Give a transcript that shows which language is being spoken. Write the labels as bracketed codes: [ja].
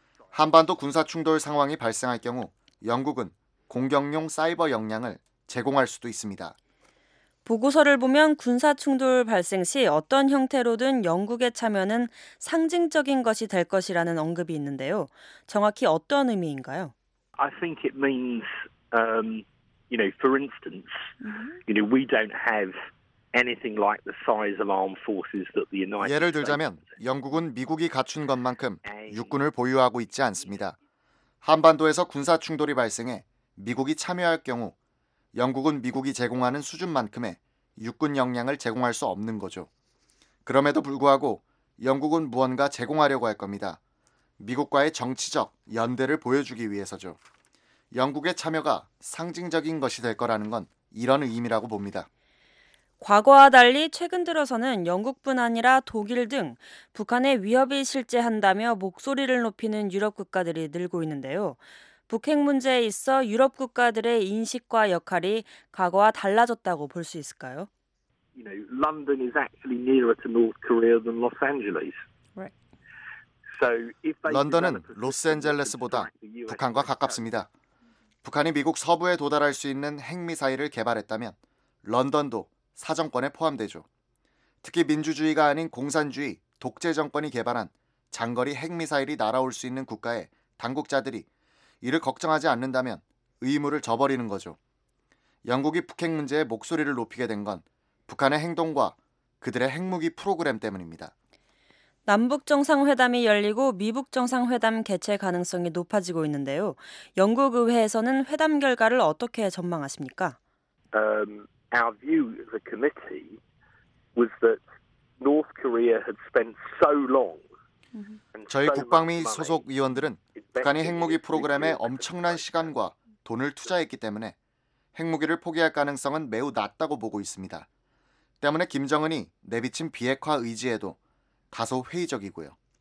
[ko] 한반도 군사 충돌 상황이 발생할 경우 영국은 공격용 사이버 역량을 제공할 수도 있습니다. 보고서를 보면 군사 충돌 발생 시 어떤 형태로든 영국의 참여는 상징적인 것이 될 것이라는 언급이 있는데요. 정확히 어떤 의미인가요? [en] I think it means, you know, for instance, you know, we don't have anything like the size of armed forces that the United States. [ko] 예를 들자면 영국은 미국이 갖춘 것만큼 육군을 보유하고 있지 않습니다. 한반도에서 군사 충돌이 발생해 미국이 참여할 경우 영국은 미국이 제공하는 수준만큼의 육군 역량을 제공할 수 없는 거죠. 그럼에도 불구하고 영국은 무언가 제공하려고 할 겁니다. 미국과의 정치적 연대를 보여주기 위해서죠. 영국의 참여가 상징적인 것이 될 거라는 건 이런 의미라고 봅니다. 과거와 달리 최근 들어서는 영국뿐 아니라 독일 등 북한의 위협이 실재한다며 목소리를 높이는 유럽 국가들이 늘고 있는데요. 북핵 문제에 있어 유럽 국가들의 인식과 역할이 과거와 달라졌다고 볼 수 있을까요? [en] You know, London is actually nearer to North Korea than Los Angeles. Right. So if they [ko] 런던은 로스앤젤레스보다 북한과 가깝습니다. 북한이 미국 서부에 도달할 수 있는 핵미사일을 개발했다면 런던도 사정권에 포함되죠. 특히 민주주의가 아닌 공산주의, 독재 정권이 개발한 장거리 핵미사일이 날아올 수 있는 국가에 당국자들이 이를 걱정하지 않는다면 의무를 저버리는 거죠. 영국이 북핵 문제에 목소리를 높이게 된 건 북한의 행동과 그들의 핵무기 프로그램 때문입니다. 남북정상회담이 열리고 미북정상회담 개최 가능성이 높아지고 있는데요. 영국 의회에서는 회담 결과를 어떻게 전망하십니까? [en] Our view of the committee was that North Korea had spent so long. [ko] 저희 국방위 소속 위원들은 북한이 핵무기 프로그램에 엄청난 시간과 돈을 투자했기 때문에 핵무기를 포기할 가능성은 매우 낮다고 보고 있습니다. 때문에 김정은이 내비친 비핵화 의지에도 다소 회의적이고요.